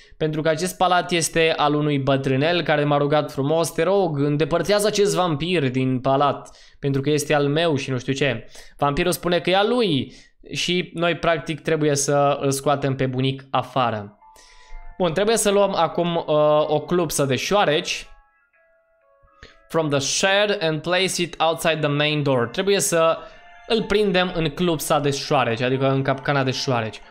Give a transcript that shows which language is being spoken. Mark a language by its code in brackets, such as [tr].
[ro] Pentru că acest palat este al unui bătrânel care m-a rugat frumos: te rog, îndepărtează acest vampir din palat, pentru că este al meu și nu știu ce. Vampirul spune că e al lui și noi practic trebuie să îl scoatem pe bunic afară. Bun, trebuie să luăm acum o clupsă de șoareci. [en] from the shed and place it outside the main door. [ro] Trebuie să îl prindem în clupsa de șoareci, adică în capcana de șoareci.